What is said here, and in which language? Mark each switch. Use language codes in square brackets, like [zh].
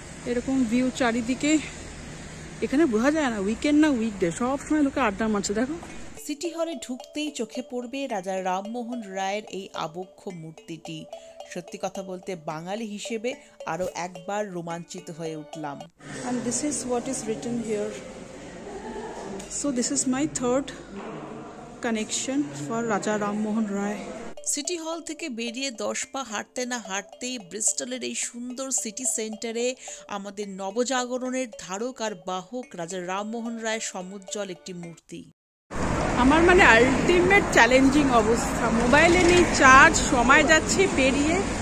[bn] এরকম ভিউ চারিদিকে, এখানে বোঝা যায় না উইকেন্ড না উইকডে, সবসময় লোকে আড্ডা মারছে। দেখো সিটি হলে ঢুকতেই চোখে পড়বে রাজা রামমোহন রায়ের এই আবক্ষ মূর্তিটি। সত্যি কথা বলতে বাঙালি হিসেবে আরো একবার রোমাঞ্চিত হয়ে উঠলাম। [en] And this is what is written here. So this is my third connection for Raja Ram Mohan Roy. [bn] City হল থেকে বেরিয়ে 10 পা হাঁটতে না হাঁটতেই ব্রিস্টলের এই সুন্দর সিটি সেন্টারে আমাদের নবজাগরণের ধারক আর বাহক রাজা রামমোহন রায় সমুজ্জ্বল একটি মূর্তি। আমার মানে আলটিমেট চ্যালেঞ্জিং অবস্থা, মোবাইলে নেই চার্জ, সময় যাচ্ছে পেরিয়ে,